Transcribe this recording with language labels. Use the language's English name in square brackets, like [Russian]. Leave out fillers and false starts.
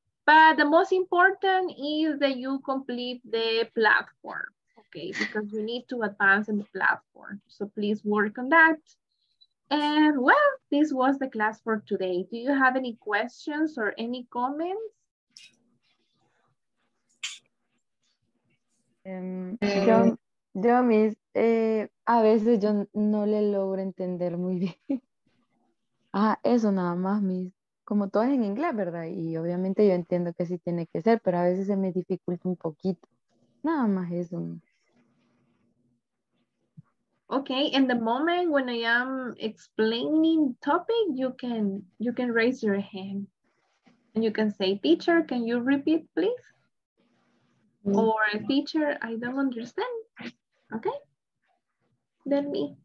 [English] But the most important is that you complete the platform, okay? Because you need to advance in the platform. So please work on that. And well, this was the class for today. Do you have any questions or any comments? [Spanish] A veces yo no le logro entender muy bien. Ah, eso nada más, mis. Como todo es en inglés, ¿verdad? Y obviamente yo entiendo que sí tiene que ser, pero a veces se me dificulta un poquito. Nada más eso. [English] Okay, in the moment when I am explaining topic, you can raise your hand. And you can say, teacher, can you repeat, please? Mm-hmm. Or teacher, I don't understand. Okay? Then me.